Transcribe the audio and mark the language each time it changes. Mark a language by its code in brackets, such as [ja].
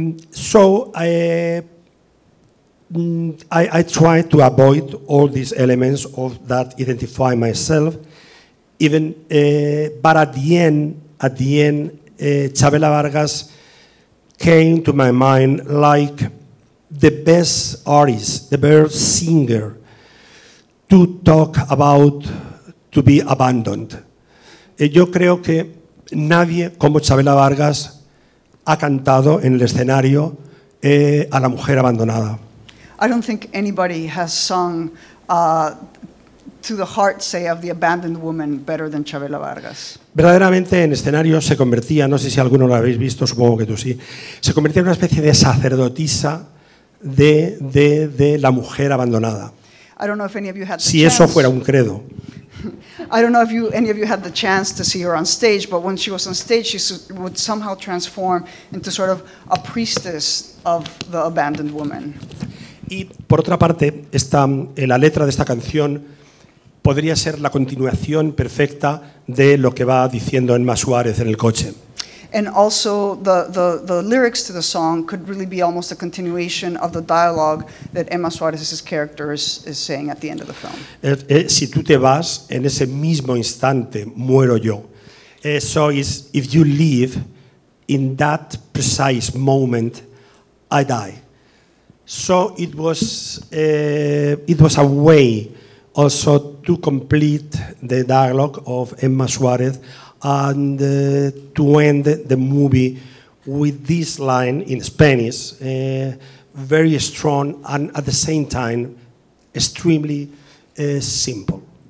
[en] So I try to avoid all these elements of that identify myself, even, but at the end, Chavela Vargas came to my mind like the best artist, the best singer to talk about to be abandoned. [es] Yo creo que nadie como Chavela Vargas ha cantado en el escenario a la mujer abandonada. [en] I don't think anybody has sung to the heart, say, of the abandoned woman better than Chavela Vargas. [es] Verdaderamente en escenario se convertía, no sé si alguno lo habéis visto, supongo que tú sí, se convertía en una especie de sacerdotisa de la mujer abandonada. [en] I don't know if any of you had the chance. [es] Si eso fuera un credo. [en] I don't know if any of you had the chance to see her on stage, but when she was on stage, she would somehow transform into sort of a priestess of the abandoned woman. [es] Y por otra parte, esta, la letra de esta canción podría ser la continuación perfecta de lo que va diciendo Emma Suárez en el coche. [en] And also the lyrics to the song could really be almost a continuation of the dialogue that Emma Suárez's character is saying at the end of the film. [es] Si tú te vas, en ese mismo instante muero yo. [en] So if you leave, in that precise moment, I die. So it was a way also to complete the dialogue of Emma Suárez and to end the movie with this line in Spanish, very strong and at the same time extremely simple.